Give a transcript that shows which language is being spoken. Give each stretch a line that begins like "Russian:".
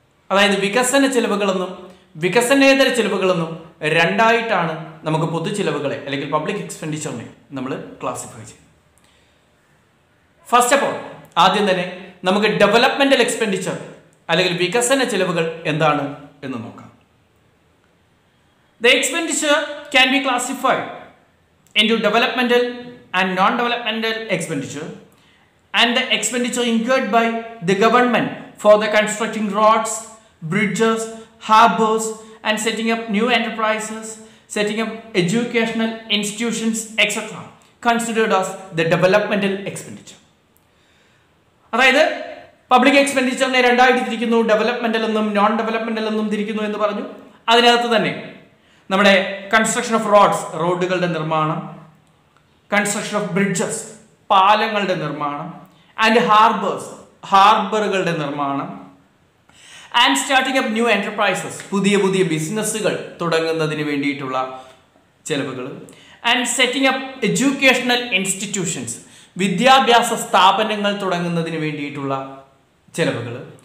Malayalam: അതായത് വികസന ചിലവുകളെന്നും വികസനേതര ചിലവുകളെന്നും രണ്ടായിട്ടാണ് നമുക്ക് പൊതു ചിലവുകളെ അല്ലെങ്കിൽ പബ്ലിക് എക്സ്പെൻഡിച്ചറിനെ നമ്മൾ ക്ലാസിഫൈ ചെയ്യുന്നത്.
English: first of all
Malayalam: ആദ്യം തന്നെ നമുക്ക് ഡെവലപ്മെന്റൽ എക്സ്പെൻഡിച്ചർ അല്ലെങ്കിൽ വികസന ചിലവുകൾ എന്താണ് എന്ന് നോക്കാം.
English: The expenditure can be classified into developmental and non-developmental expenditure, and the expenditure incurred by the government for the constructing roads, bridges, harbors, and setting up new enterprises, setting up educational institutions, etc., considered as the developmental expenditure.
Malayalam: അതായത് public expenditure നെ രണ്ടായിട്ട് തിരിക്കുന്നു, developmental എന്നും non-developmental എന്നും തിരിക്കുന്നു എന്ന് പറഞ്ഞു. അതിനകത്ത് തന്നെ നമ്മുടെ
English: construction of roads,
Malayalam: റോഡുകളുടെ നിർമ്മാണം,
English: construction of bridges,
Malayalam: പാലങ്ങളുടെ നിർമ്മാണം,
English: and harbours,
Malayalam: ഹാർബറുകളുടെ നിർമ്മാണം,
English: and starting up new enterprises,
Malayalam: പുതിയ ബിസിനസ്സുകൾ തുടങ്ങുന്നതിന് വേണ്ടിയിട്ടുള്ള ചെലവുകൾ,
English: and setting up educational institutions,
Malayalam: വിദ്യാഭ്യാസ സ്ഥാപനങ്ങൾ തുടങ്ങുന്നതിന് വേണ്ടിയിട്ടുള്ള ചെലവുകൾ.